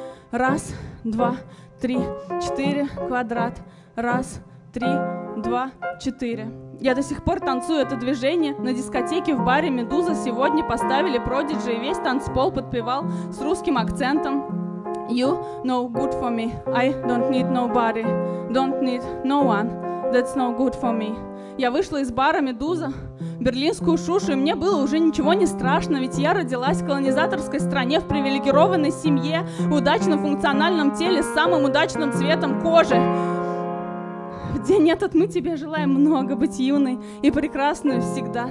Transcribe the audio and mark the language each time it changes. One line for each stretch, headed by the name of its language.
Russian: Раз, два, три, четыре, квадрат. Раз, три, два, четыре. Я до сих пор танцую это движение. На дискотеке в баре «Медуза» сегодня поставили «Продиджи», и весь танцпол подпевал с русским акцентом.
English: You no good for me, I don't need nobody, don't need no one, that's no good for me.
Russian: Я вышла из бара «Медуза», берлинскую шушу, и мне было уже ничего не страшно, ведь я родилась в колонизаторской стране, в привилегированной семье, в удачном функциональном теле с самым удачным цветом кожи. В день этот мы тебе желаем много быть юной и прекрасной всегда.